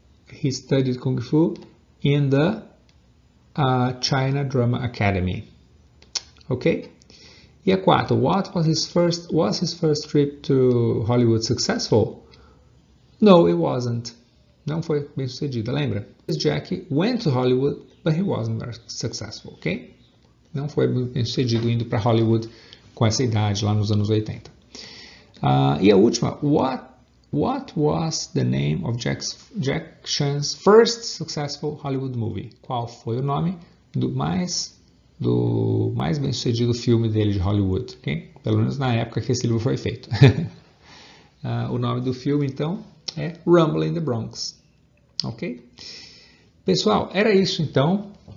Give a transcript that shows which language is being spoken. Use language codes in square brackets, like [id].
[en] He studied Kung Fu in the China Drama Academy. Ok? [pt] E a quarta, [en] was his first trip to Hollywood successful? No, it wasn't. [pt] Não foi bem sucedida, lembra? [en] Jackie went to Hollywood, but he wasn't very successful, ok? [pt] Não foi bem sucedido indo para Hollywood com essa idade lá nos anos 80. E a última, [en] What was the name of Jack Chan's first successful Hollywood movie? [pt] Qual foi o nome do mais bem-sucedido filme dele de Hollywood? Okay? Pelo menos na época que esse livro foi feito. O nome do filme, então, é Rumble in the Bronx. Ok? Pessoal, era isso, então.